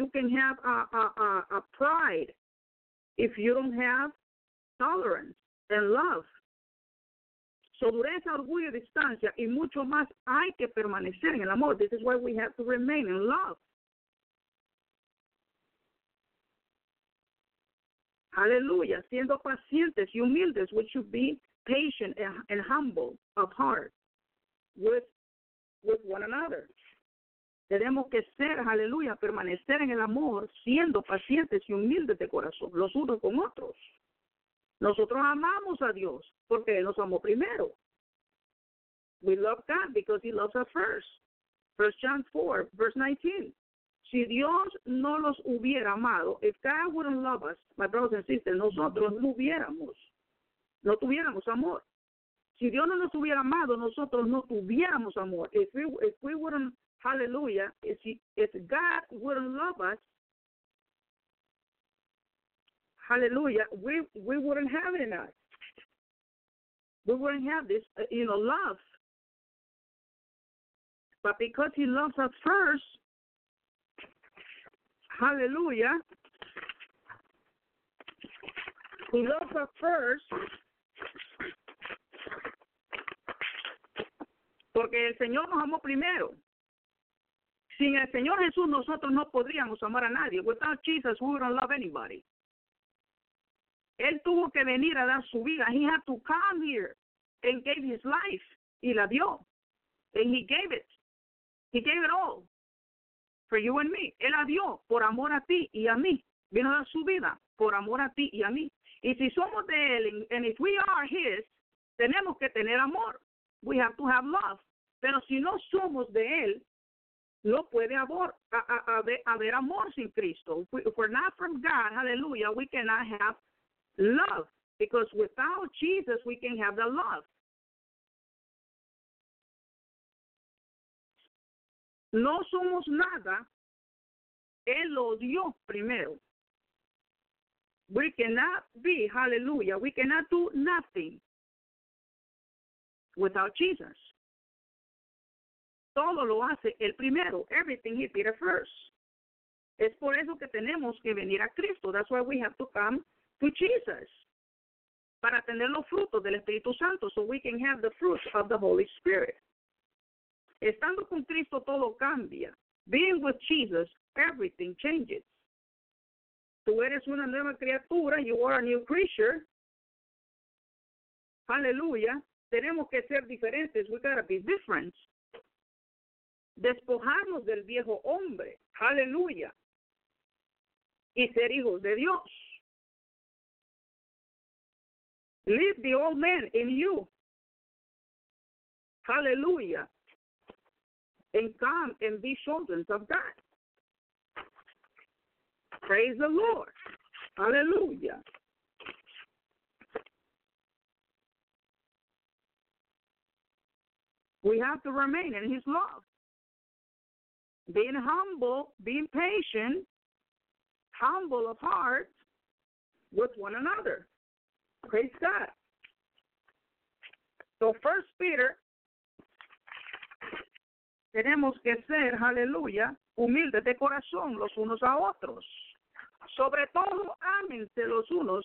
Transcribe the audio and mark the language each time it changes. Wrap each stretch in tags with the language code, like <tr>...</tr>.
<en>You can have a pride if you don't have tolerance and love.</en> <es>So dureza, orgullo, distancia, y mucho más hay que permanecer en el amor.</es> <en>This is why we have to remain in love.</en> <es>Aleluya. Siendo pacientes y humildes,</es> <en>we should be patient and humble of heart with one another.</en> <es>Tenemos que ser, hallelujah, permanecer en el amor, siendo pacientes y humildes de corazón, los unos con otros. Nosotros amamos a Dios porque Él nos amó primero.</es> <en>We love God because He loves us first. 1 John 4, verse 19.</en> <es>Si Dios no los hubiera amado,</es> <en>if God wouldn't love us, my brothers and sisters,</en> <es>nosotros no hubiéramos. No tuviéramos amor. Si Dios no nos hubiera amado, nosotros no tuviéramos amor.</es> <en>If we wouldn't, hallelujah, if God wouldn't love us, hallelujah, we wouldn't have it in us. We wouldn't have this, you know, love. But because He loves us first, hallelujah, He loves us first,</en> <es>Porque el Señor nos amó primero. Sin el Señor Jesús, nosotros no podríamos amar a nadie.</es> <en>Without Jesus, we wouldn't love anybody.</en> <es>Él tuvo que venir a dar su vida.</es> <en>He had to come here and gave his life.</en> <es>Y la dio.</es> <en>And he gave it. He gave it all. For you and me.</en> <es>Él la dio por amor a ti y a mí. Vino a dar su vida por amor a ti y a mí. Y si somos de él,</es> <en>and if we are his,</en> <es>tenemos que tener amor.</es> <en>We have to have love.</en> <es>Pero si no somos de él, no puede haber amor sin Cristo.</es> <en>If we're not from God, hallelujah, we cannot have love. Because without Jesus, we can have the love.</en> <es>No somos nada. Él lo dio primero.</es> <en>We cannot be, hallelujah, we cannot do nothing without Jesus.</en> <es>Todo lo hace el primero.</es> <en>Everything he did at first.</en> <es>Es por eso que tenemos que venir a Cristo.</es> <en>That's why we have to come to Jesus.</en> <es>Para tener los frutos del Espíritu Santo.</es> <en>So we can have the fruits of the Holy Spirit.</en> <es>Estando con Cristo, todo cambia.</es> <en>Being with Jesus, everything changes.</en> <es>Tú eres una nueva criatura.</es> <en>You are a new creature. Hallelujah.</en> <es>Tenemos que ser diferentes.</es> <en>We gotta be different.</en> <es>Despojarnos del viejo hombre. Hallelujah. Y ser hijos de Dios.</es> <en>Leave the old man in you. Hallelujah. And come and be children of God. Praise the Lord. Hallelujah. We have to remain in his love. Being humble, being patient, humble of heart with one another. Praise God.</en> <es>So First Peter, tenemos que ser, hallelujah, humildes de corazón los unos a otros. Sobre todo, ámense los unos.</es>